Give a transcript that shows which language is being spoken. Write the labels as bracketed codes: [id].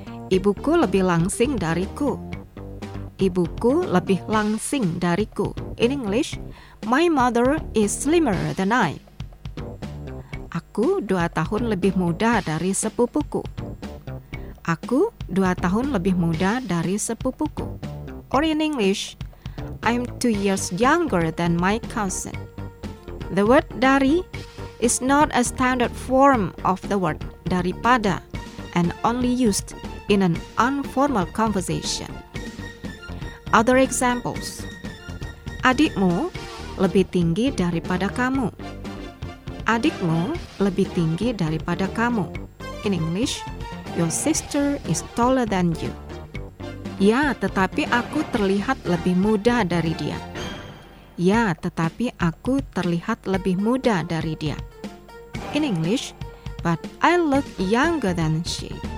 [id] Ibuku lebih langsing dariku. Ibuku lebih langsing dariku. [en] In English, my mother is slimmer than I. [id] Aku 2 tahun lebih muda dari sepupuku. Aku 2 tahun lebih muda dari sepupuku. [en] Or in English, I'm 2 years younger than my cousin. The word dari is not a standard form of the word daripada and only used in an informal conversation. Other examples. [id] Adikmu lebih tinggi daripada kamu. Adikmu lebih tinggi daripada kamu. [en] In English, your sister is taller than you. [id] Ya, tetapi aku terlihat lebih muda dari dia. Ya, tetapi aku terlihat lebih muda dari dia. [en] In English, but I look younger than she.